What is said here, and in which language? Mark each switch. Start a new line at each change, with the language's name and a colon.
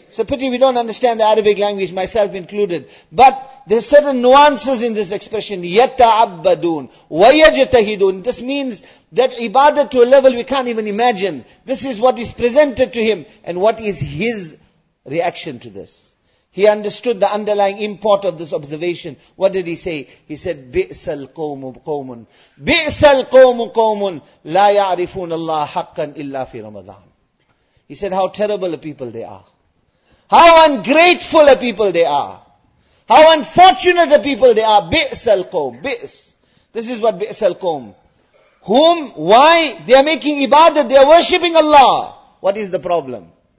English: It's a pity we don't understand the Arabic language, myself included. But there's certain nuances in this expression,
Arabic: yata'abbadun, wayajtahidun.
English: This means that ibadah to a level we can't even imagine. This is what is presented to him, and what is his reaction to this? He understood the underlying import of this observation. What did he say? He said,
Arabic: بِئْسَ الْقَوْمُ قَوْمٌ بِئْسَ الْقَوْمُ قَوْمٌ لَا يَعْرِفُونَ اللَّهَ حَقًّا إِلَّا فِي رَمَضَانٍ.
English: He said, how terrible a people they are. How ungrateful a people they are. How unfortunate a people they are.
Arabic: بِئْسَ الْقَوْمُ بِئْس.
English: This is what
Arabic: بِئْسَ الْقَوْمُ.
English: Whom? Why? They are making ibadah. They are worshipping Allah. What is the problem?